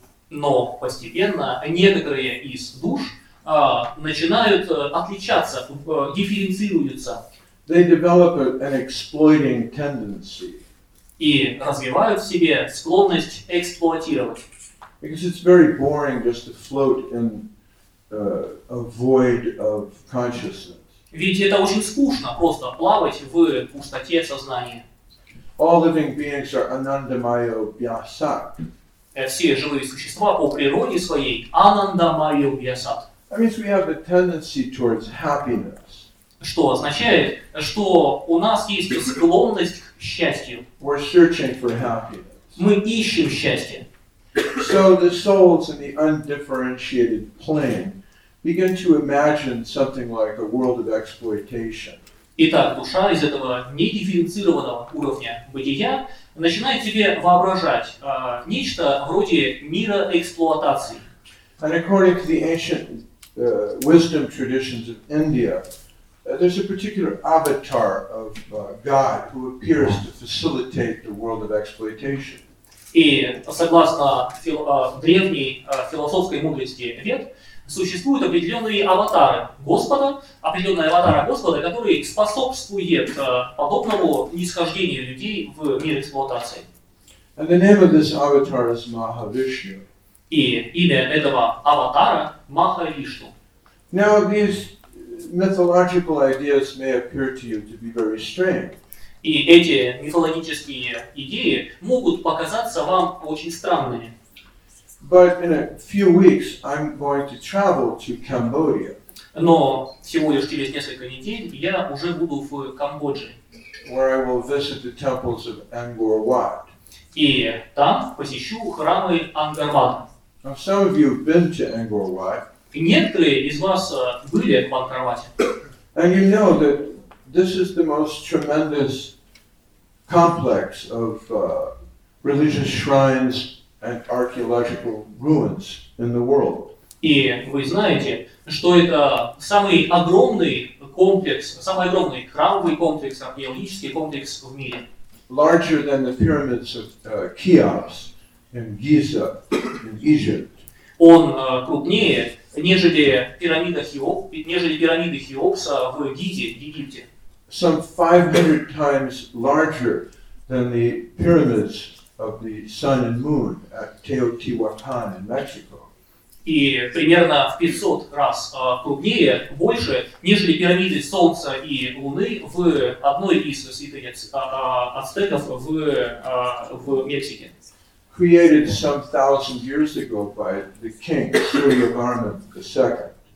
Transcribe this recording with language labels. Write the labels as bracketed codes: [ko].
[ru] Но постепенно некоторые из душ начинают отличаться, дифференцируются. [en] They develop an exploiting tendency. [ru] И развивают в себе склонность эксплуатировать. [en] Because it's very boring just to float in a void of consciousness. [ru] Ведь это очень скучно просто плавать в пустоте сознания. [en] All living beings are anandamayo vyasat. [ru] Все живые существа по природе своей anandamayo vyasat. [en] That means we have a tendency towards happiness. [ru] Что означает, что у нас есть склонность к счастью. [en] We're searching for happiness. [ru] Мы ищем счастье. [en] So the souls in the undifferentiated plane begin to imagine something like a world of exploitation. [ru] Итак, душа из этого недифференцированного уровня бытия начинает себе воображать нечто вроде мира эксплуатации. [en] And according to the ancient wisdom traditions of India, there's a particular avatar of God who appears to facilitate the world of exploitation. [ru] И согласно древней философской мудрости Вед, существуют определенные аватары Господа, определенные аватары Господа, которые способствуют подобному нисхождению людей в мир эксплуатации. [en] And the name of this avatar is Mahavishnu. [ru] И имя этого аватара Махавишну. [en] Now these mythological ideas may appear to you to be very strange. [ru] И эти мифологические идеи могут показаться вам очень странными. [en] But in a few weeks, I'm going to travel to Cambodia. [ru] Но всего лишь через несколько недель я уже буду в Камбодже. [en] Where I will visit the temples of Angkor Wat. [ru] И там посещу храмы Ангкор Вата. [en] Now, some of you have been to Angkor Wat. [ru] И некоторые из вас были в Ангкор Вате. [en] And you know that this is the most tremendous complex of religious shrines and archaeological ruins in the world. [ru] И вы знаете, что это самый огромный комплекс, самый огромный храмовый комплекс, археологический комплекс в мире. [en] Larger than the pyramids of Cheops in Giza in Egypt. [ru] Он крупнее, нежели пирамиды Хеопса в Гизе, в Египте. [en] Some 500 times larger than the pyramids of the sun and moon at Teotihuacan in Mexico. [ru] И примерно в 500 раз крупнее, больше, нежели пирамиды Солнца и Луны в одной из святынь ацтеков в Мексике. [en] Created some thousand years ago by the king Suryavarman II.